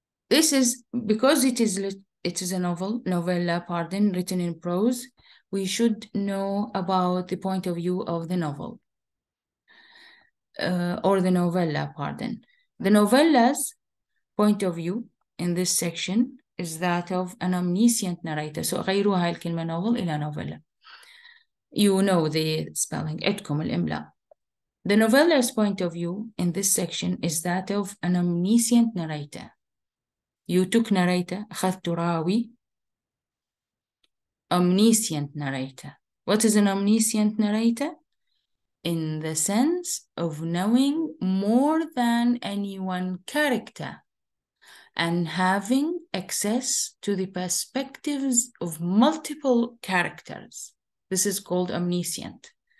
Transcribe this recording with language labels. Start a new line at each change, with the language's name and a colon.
English: This is because it is a novella, pardon, written in prose. We should know about the point of view of the novel, or the novella, pardon. The novella's point of view in this section is that of an omniscient narrator.
Arabic: So غيروا هاي الكلمة novel إلى novella.
English: You know the spelling,
Arabic: إتكم الإملاء.
English: The novella's point of view in this section is that of an omniscient narrator. You took narrator,
Arabic: أخذت راوي.
English: Omniscient narrator. What is an omniscient narrator? In the sense of knowing more than any one character and having access to the perspectives of multiple characters. This is called omniscient.